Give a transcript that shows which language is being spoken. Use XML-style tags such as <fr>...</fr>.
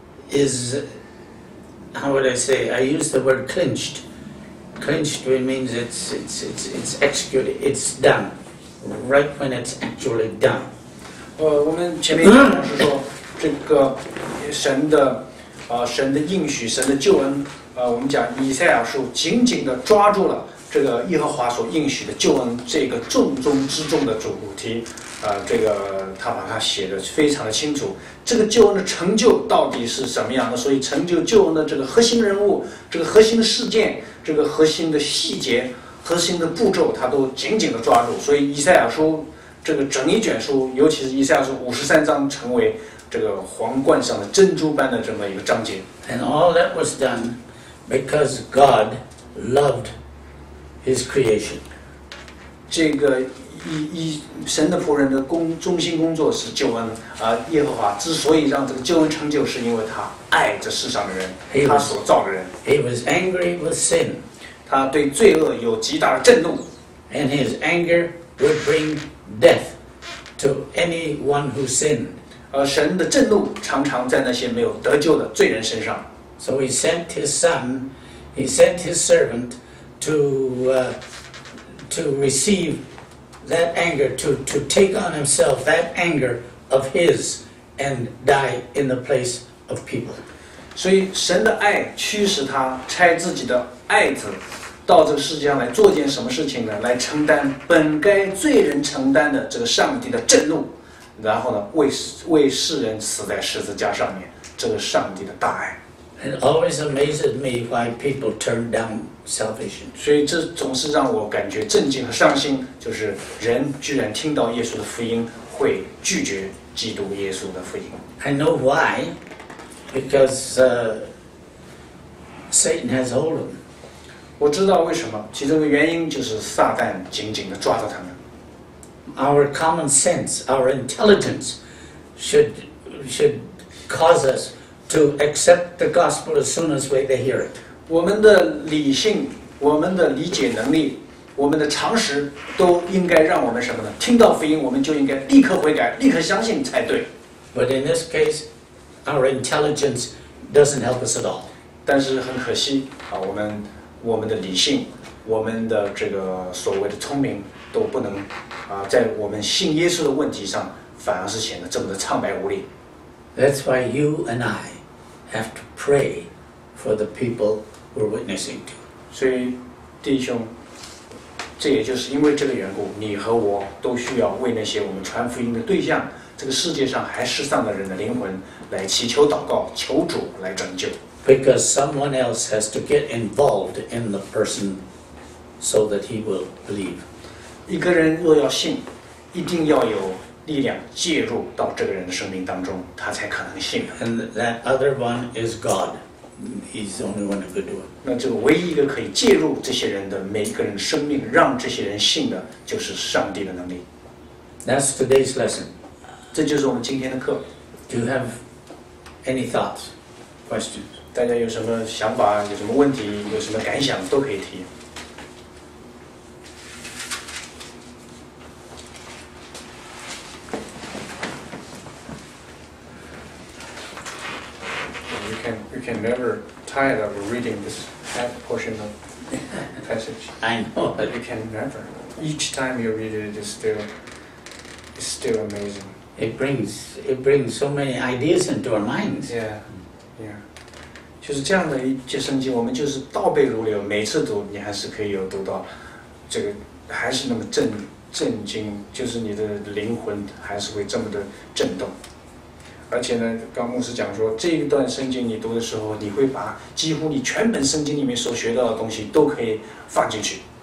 <en>is, how would I say, I use the word clinched. Clinched means it's executed, it's done, right when it's actually done.</en> <zh>我们前面讲的是说，这个神的，神的应许，神的救恩，我们讲以赛亚书紧紧地抓住了这个耶和华所应许的救恩这个重中之重的主题，这个他把它写得非常的清楚。这个救恩的成就到底是什么样的？所以成就救恩的这个核心人物，这个核心的事件，这个核心的细节，核心的步骤，他都紧紧地抓住。所以以赛亚书这个整一卷书，尤其是以赛亚书53章，成为这个皇冠上的珍珠般的这么一个章节。</zh> <en>And all that was done because God loved His creation.</en> <zh>这个神的仆人的中心工作是救恩，耶和华之所以让这个救恩成就，是因为他爱这世上的人，他所造的人。</zh> <en>He was angry with sin.</en> <zh>他对罪恶有极大的震怒。</zh> <en>And His anger would bring death to anyone who sinned.</en> <zh>神的震怒常常在那些没有得救的罪人身上。</zh> <en>So He sent His Son, He sent His servant to receive that anger, to take on Himself that anger of His and die in the place of people.</en> <zh>所以神的爱驱使他拆自己的爱子到这个世界上来做件什么事情呢？来承担本该罪人承担的这个上帝的震怒，然后呢，为世人死在十字架上面，这个上帝的大爱。</zh> <en>It always amazes me why people turn down salvation.</en> <zh>所以这总是让我感觉震惊和伤心，就是人居然听到耶稣的福音会拒绝基督耶稣的福音。</zh> <en>I know why, because Satan has hold of them.</en> <zh>我知道为什么，其中的原因就是撒旦紧紧地抓着他们。</zh> <en>Our common sense, our intelligence, should cause us. To accept the gospel as soon as they hear it.</en> <zh>我们的理性，我们的理解能力，我们的常识，都应该让我们什么呢？听到福音，我们就应该立刻悔改，立刻相信才对。</zh> <en>But in this case, our intelligence doesn't help us at all.</en> <zh>但是很可惜啊，我们的理性，我们的这个所谓的聪明，都不能啊，在我们信耶稣的问题上，反而是显得这么的苍白无力。</zh> <en>That's why you and I have to pray for the people we're witnessing to.</en> <zh>所以，弟兄，这也就是因为这个缘故，你和我都需要为那些我们传福音的对象，这个世界上还世上的人的灵魂来祈求祷告，求主来拯救。</zh> <en>Because someone else has to get involved in the person so that he will believe.</en> <zh>一个人若要信，一定要有力量介入到这个人的生命当中，他才可能信。</zh> <en>And that other one is God. He's the only one who could do it.</en> <zh>那就唯一一个可以介入这些人的每一个人生命，让这些人信的，就是上帝的能力。</zh> <en>That's today's lesson.</en> <zh>这就是我们今天的课。</zh> <en>Do you have any thoughts, questions?</en> <zh>大家有什么想法，有什么问题，有什么感想，都可以提。</zh> <en>Can never tired of reading this half portion of passage. I know. But you can never. Each time you read it, it's still amazing. It brings so many ideas into our minds. Yeah.</en> <zh>就是这样的一节圣经，我们就是倒背如流，每次读你还是可以有读到，这个还是那么震惊，就是你的灵魂还是会这么的震动。而且呢，刚牧师讲说，这一段圣经你读的时候，你会把几乎你全本圣经里面所学到的东西都可以放进去。</zh>